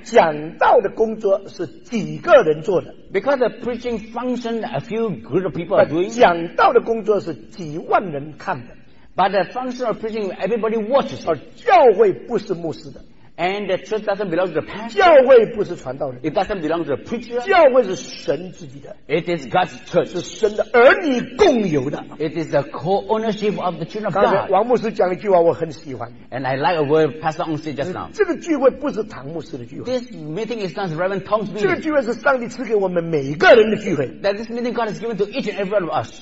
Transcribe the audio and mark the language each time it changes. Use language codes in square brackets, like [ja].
[zh] 讲道的工作是几个人做的？ [en] Because the preaching function a few group of people are doing. [zh] 讲道的工作是几万人看的。 [en] But the function of preaching everybody watches. [zh] 而教会不是牧师的。 [en] And the church doesn't belong to the pastor. [zh] 教会不是传道人。 [en] It doesn't belong to the preacher. [zh] 教会是神自己的。 [en] It is God's church. [zh] 是神的儿女共有的。 [en] It is the co-ownership of the children of God. [zh] 刚才王牧师讲了一句话我很喜欢。 [en] And I like a word Pastor Ong said just now. [zh] 这个聚会不是唐牧师的聚会。 [en] This meeting is not Reverend Tong's meeting. [zh] 这个聚会是上帝赐给我们每个人的聚会。 [en] That this meeting God has given to each and every one of us.